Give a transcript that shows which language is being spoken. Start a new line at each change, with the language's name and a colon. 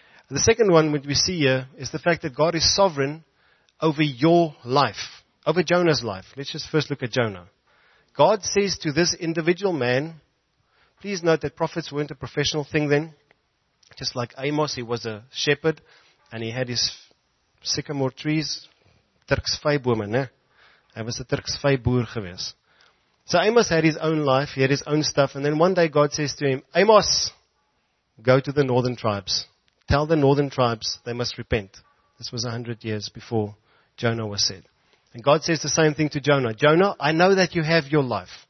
English: The second one which we see here is the fact that God is sovereign over your life, over Jonah's life. Let's just first look at Jonah. God says to this individual man, please note that prophets weren't a professional thing then. Just like Amos, he was a shepherd and he had his sycamore trees.
Afrikaans: Turks vyboome, ne? Hy was 'n Turks vyboer gewees.
English: So Amos had his own life, he had his own stuff, and then one day God says to him, Amos, go to the northern tribes. Tell the northern tribes they must repent. This was 100 years before Jonah was said. And God says the same thing to Jonah. Jonah, I know that you have your life.